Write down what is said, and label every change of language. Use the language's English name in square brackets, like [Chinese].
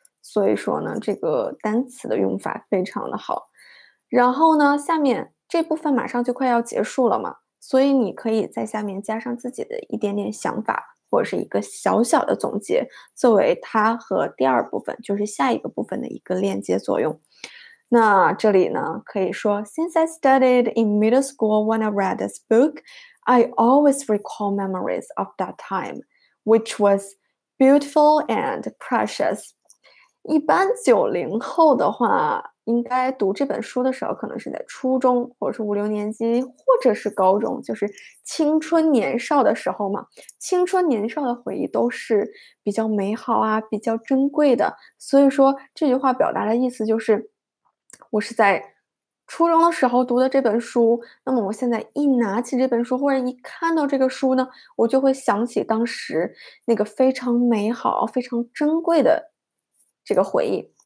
[Chinese] 所以说呢，这个单词的用法非常的好。然后呢，下面这部分马上就快要结束了嘛。所以你可以在下面加上自己的一点点想法，或或者是一个小小的总结，作为它和第二部分，就是下一个部分的一个链接作用。那这里呢，可以说 [English] Since I studied in middle school when I read this book, I always recall memories of that time, which was beautiful and precious. [Chinese] 一般90后的话，应该读这本书的时候可能是在初中或者是五六年级或者是高中，就是青春年少的时候嘛。青春年少的回忆都是比较美好啊，比较珍贵的。所以说这句话表达的意思就是，我是在初中的时候读的这本书，那么我现在一拿起这本书或者一看到这个书呢，我就会想起当时那个非常美好非常珍贵的这个回忆。